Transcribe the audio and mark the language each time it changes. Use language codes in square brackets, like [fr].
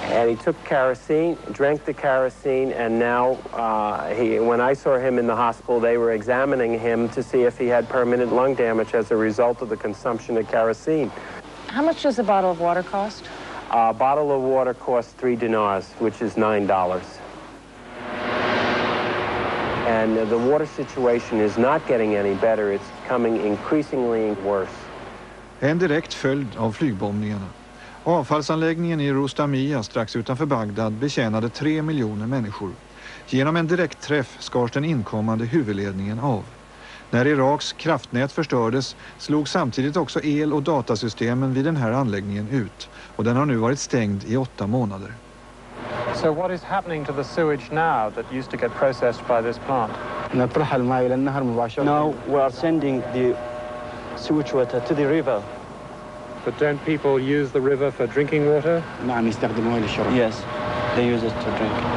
[en] And he took kerosene, drank the kerosene, and now when I saw him in the hospital, they were examining him to see if he had permanent lung damage as a result of the consumption of kerosene. How much does a bottle of water cost? A bottle of water costs 3 dinars, which is $9. And the water situation is not getting any better. It's coming increasingly worse. [sv] En direkt följd av flygbombningarna. Avfallsanläggningen i Rustamia, strax utanför Bagdad, betjänade 3 miljoner människor. Genom en direkt träff skars den inkommande huvudledningen av. När Iraks kraftnät förstördes slog samtidigt också el- och datasystemen vid den här anläggningen ut. Och den har nu varit stängd i 8 månader. [en] So what is happening to the sewage now that used to get processed by this plant? Now we are sending the sewage water to the river. But don't people use the river for drinking water? Yes, they use it to drink.